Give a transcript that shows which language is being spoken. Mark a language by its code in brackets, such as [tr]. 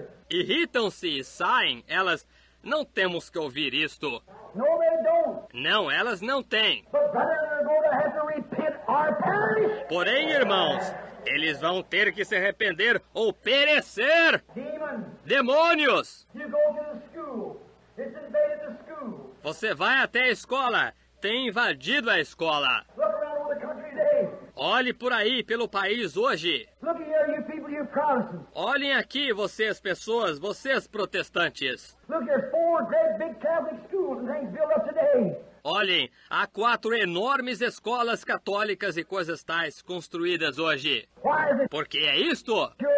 [pt] Irritam-se e saem. Elas não temos que ouvir isto. [en] No, they don't. [pt] Não, elas não têm. [en] But brother, they're going to have to repent or perish. [pt] Porém, irmãos, eles vão ter que se arrepender ou perecer. [en] Demon. [pt] Demônios. [en] You go to the school. It's invaded the school. [pt] Você vai até a escola. Tem invadido a escola. [en] Look around over the country today. [pt] Olhe por aí, pelo país hoje. [en] Look at you, you people, you Protestants. [pt] Olhem aqui, vocês pessoas, vocês protestantes. [en] Look, there's four great big Catholic schools and things built up today. [pt] Olhem, há quatro enormes escolas católicas e coisas tais construídas hoje. Por que é isto?